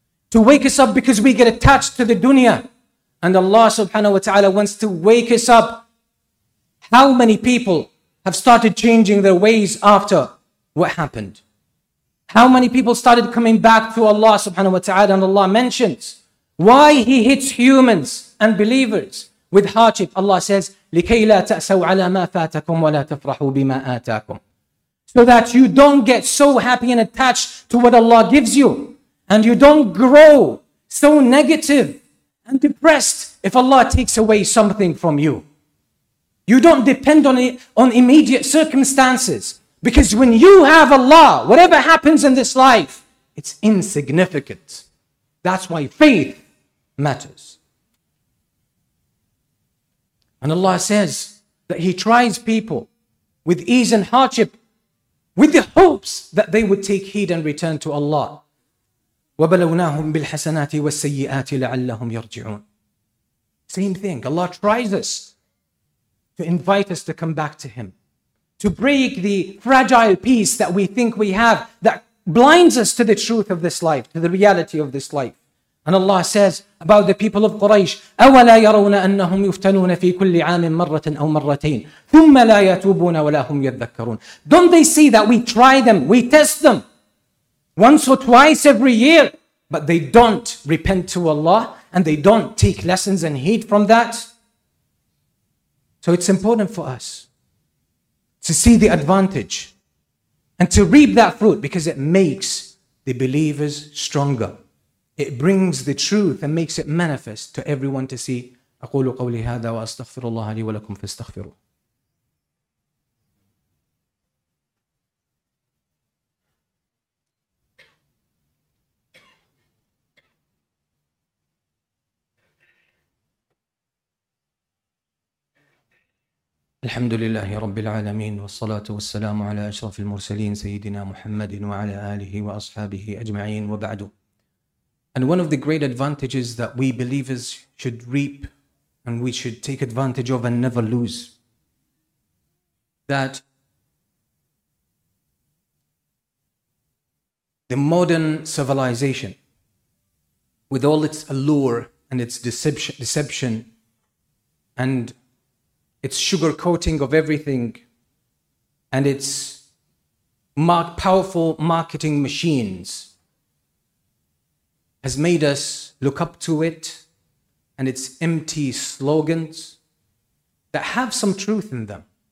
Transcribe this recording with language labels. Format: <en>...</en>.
<en>To wake us up because we get attached to the dunya. And Allah subhanahu wa ta'ala wants to wake us up. How many people have started changing their ways after what happened? How many people started coming back to Allah subhanahu wa ta'ala? And Allah mentions why He hits humans and believers with hardship. Allah says,</en> <ar>لِكَيْ لَا تَأْسَوْ عَلَى مَا فَاتَكُمْ وَلَا تَفْرَحُوا بِمَا آتَاكُمْ.</ar> <en>So that you don't get so happy and attached to what Allah gives you. And you don't grow so negative and depressed if Allah takes away something from you. You don't depend on immediate circumstances. Because when you have Allah, whatever happens in this life, it's insignificant. That's why faith matters. And Allah says that He tries people with ease and hardship with the hopes that they would take heed and return to Allah.</en> <ar>وَبَلَوْنَاهُمْ بِالْحَسَنَاتِ وَالسَّيِّئَاتِ لَعَلَّهُمْ يَرْجِعُونَ.</ar> <en>Same thing. Allah tries us to invite us to come back to Him. To break the fragile peace that we think we have that blinds us to the truth of this life, to the reality of this life. And Allah says about the people of Quraysh,</en> <ar>أَوَلَا يَرَوْنَ أَنَّهُمْ يُفْتَنُونَ فِي كُلِّ عَامٍ مَرَّةً أَوْ مَرَّتَيْنَ ثُمَّ لَا يَتُوبُونَ وَلَا هُمْ يَذَّكَّرُونَ.</ar> <en>Don't they see that we try them, we test them once or twice every year, but they don't repent to Allah and they don't take lessons and heed from that? So it's important for us to see the advantage and to reap that fruit, because it makes the believers stronger. It brings the truth and makes it manifest to everyone to see.</en> <ar>أقول قولي هذا وأستغفر الله لي ولكم فاستغفروه. الحمد لله رب العالمين والصلاة والسلام على أشرف المرسلين سيدنا محمد وعلى آله وأصحابه أجمعين وبعد.</ar> <en>And one of the great advantages that we believers should reap and we should take advantage of and never lose, that the modern civilization with all its allure and its deception and its sugarcoating of everything and its powerful marketing machines has made us look up to it and its empty slogans that have some truth in them.</en>